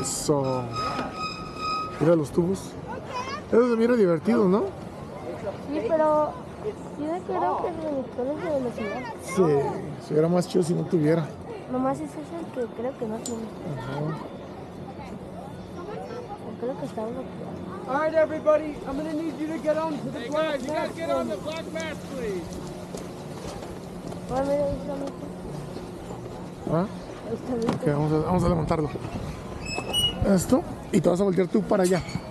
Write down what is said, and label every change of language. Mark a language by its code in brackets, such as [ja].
[es] Eso. Mira los tubos. Eso se mira divertido, ¿no? Sí, pero tiene que ver que el reductor es de velocidad. Sí, si hubiera más chido si no tuviera. Nomás ese es el que creo que no tiene. Ajá. Creo que está uno. [en] All right, everybody, I'm going to need you to get on to the black mat. You guys get on the black mat, please. [es] Okay, vamos a levantarlo. Esto, y te vas a voltear tú para allá.